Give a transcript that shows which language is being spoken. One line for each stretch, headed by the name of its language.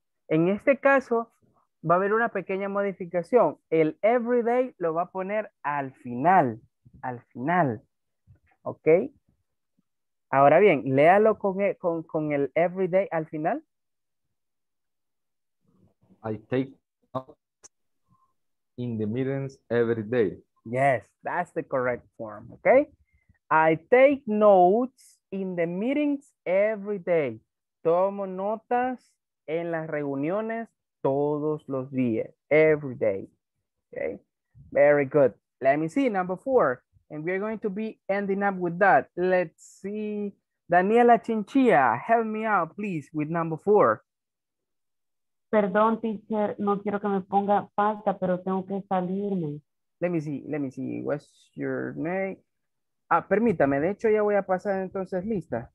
Spanish: En este caso, va a haber una pequeña modificación. El
English: every day
Spanish: lo va a poner al final. Al final. Ok. Ahora bien, léalo con el
English: everyday
Spanish: al final.
English: I take notes in the meetings every day. Yes, that's the correct form. Ok. I take notes in the meetings every day.
Spanish: Tomo notas en las reuniones todos los días.
English: Every day. Ok. Very good. Let me see, number four. And we're going to be ending up with that. Let's see. Daniela Chinchilla, help me out, please, with number four.
Spanish: Perdón, teacher. No quiero que me ponga falta, pero tengo que salirme.
English: Let me see. What's your name?
Spanish: Ah, permítame. De hecho, ya voy a pasar entonces lista.